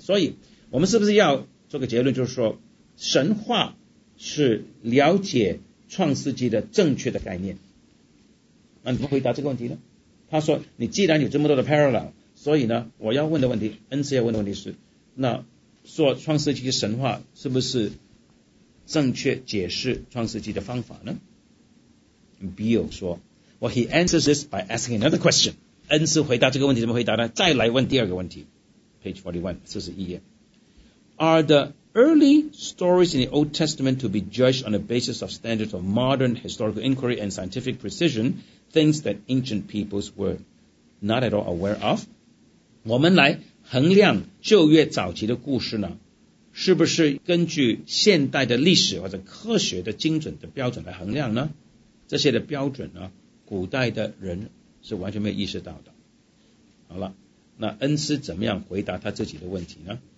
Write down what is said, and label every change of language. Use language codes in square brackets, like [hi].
[zh] 所以我们是不是要做个结论，就是说神话是了解创世纪的正确的概念。那你怎么回答这个问题呢？他说你既然有这么多的 parallel, 所以呢我要问的问题，恩赐要问的问题是，那说创世纪神话是不是正确解释创世纪的方法呢？ [en] Bill 说 Well, he answers this by asking another question. [zh] 恩赐回答这个问题怎么回答呢？再来问第二个问题。 [en] Page 41, [zh] 41页。 [en] Are the early stories in the Old Testament to be judged on the basis of standards of modern historical inquiry and scientific precision, things that ancient peoples were not at all aware of? [zh] 我们来衡量旧约早期的故事呢，是不是根据现代的历史或者科学的精准的标准来衡量呢？这些的标准呢，古代的人是完全没有意识到的。好了，那恩师怎么样回答他自己的问题呢？